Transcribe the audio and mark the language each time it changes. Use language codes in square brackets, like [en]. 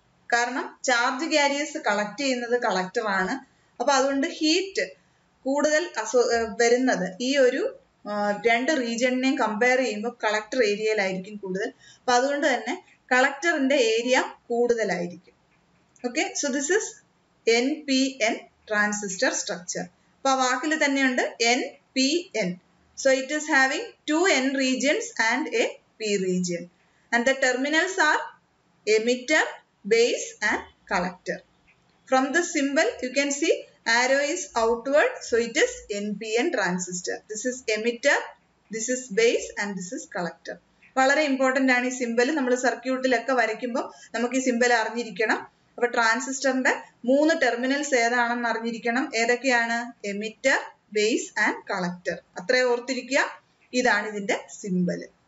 [ml] കാരണം charge careers collect ചെയ്യുന്നത് കളക്ടറാണ്, അപ്പൊ അതുകൊണ്ട് ഹീറ്റ് കൂടുതൽ വരുന്നത് ഈ ഒരു രണ്ട് റീജിയനെയും കമ്പയർ ചെയ്യുമ്പോൾ കളക്ടർ ഏരിയയിലായിരിക്കും കൂടുതൽ. അപ്പൊ അതുകൊണ്ട് തന്നെ കളക്ടറിന്റെ ഏരിയ കൂടുതലായിരിക്കും. [en] Okay, so this is NPN transistor structure. [ml] അപ്പൊ വാക്കിൽ തന്നെയുണ്ട് NPN. [en] So it is having two N regions and a P region. And the terminals are emitter, base and collector. From the symbol you can see arrow is outward, so it is NPN transistor. This is emitter, this is base and this is collector. [ml] വളരെ important ആണ് ഈ simple. നമ്മൾ സർക്യൂട്ടിലൊക്കെ വരയ്ക്കുമ്പോൾ നമുക്ക് ഈ simple അറിഞ്ഞിരിക്കണം. അപ്പൊ ട്രാൻസിസ്റ്ററിന്റെ മൂന്ന് ടെർമിനൽസ് ഏതാണെന്ന് അറിഞ്ഞിരിക്കണം. ഏതൊക്കെയാണ്? Emitter, base and collector. അത്രേ ഓർത്തിരിക്കുക. ഇതാണ് ഇതിന്റെ സിമ്പൽ.